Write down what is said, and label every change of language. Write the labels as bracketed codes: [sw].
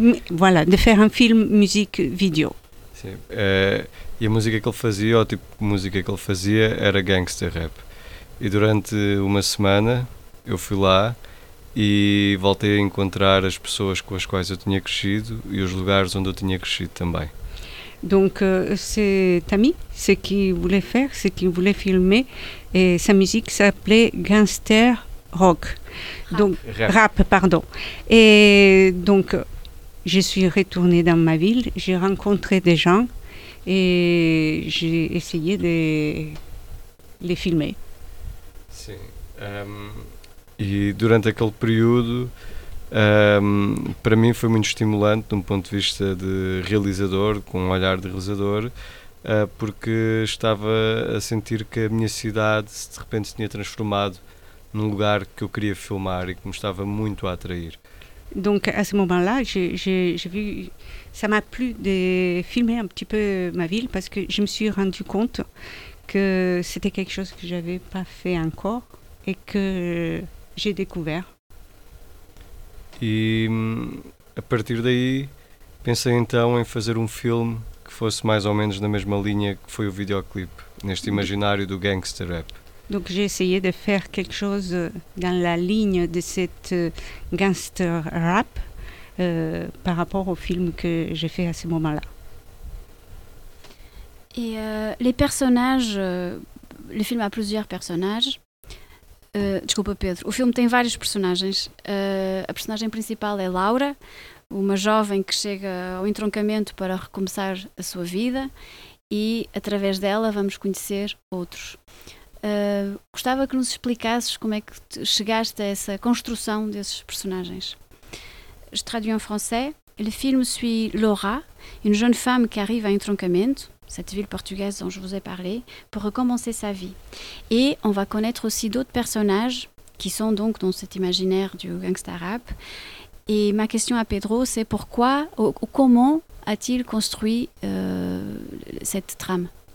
[fr] Voilà, de faire un film musique vidéo. [pt] Sim. E a música que ele fazia, ou o tipo de música que ele fazia, era gangster rap. E durante uma semana eu fui lá e voltei a encontrar as pessoas com as quais eu tinha crescido e os lugares onde eu tinha crescido também. [fr] Donc c'est Tammy, ce qu'il voulait faire, ce qu'il voulait filmer, et sa musique s'appelait Gangster Rock. Rap. Donc rap, pardon. Et donc je suis retournée dans ma ville, j'ai rencontré des gens et j'ai essayé de les filmer. [pt] Sim. E durante aquele período, para mim foi muito estimulante, de um ponto de vista de realizador, com um olhar de realizador, porque estava a sentir que a minha cidade de repente se tinha transformado num lugar que eu queria filmar e que me estava muito a atrair. [fr] Donc à ce moment-là, j'ai vu, ça m'a plu de filmer un petit peu ma ville parce que je me suis rendu compte que c'était quelque chose que j'avais pas fait encore et que j'ai découvert. [pt] E a partir daí pensei então em fazer um filme que fosse mais ou menos na mesma linha que foi o videoclipe, neste imaginário do gangster rap. [fr] Donc j'ai essayé de faire quelque chose dans la ligne de cette gangster rap par rapport au film que j'ai fait à ce moment-là. Et les personnages, le film a plusieurs personnages. [pt] Desculpa, Pedro. O filme tem vários personagens. A personagem principal é Laura, uma jovem que chega ao entroncamento para recomeçar a sua vida e, através dela, vamos conhecer outros. Gostava que nos explicasses como é que chegaste a essa construção desses personagens. [fr] Je traduis en français. Le film suit Laura, une jeune femme qui arrive à Entroncamento, cette ville portugaise dont je vous ai parlé, pour recommencer sa vie. Et on va connaître aussi d'autres personnages qui sont donc dans cet imaginaire du gangster rap. Et ma question à Pedro, c'est pourquoi ou comment a-t-il construit cette trame?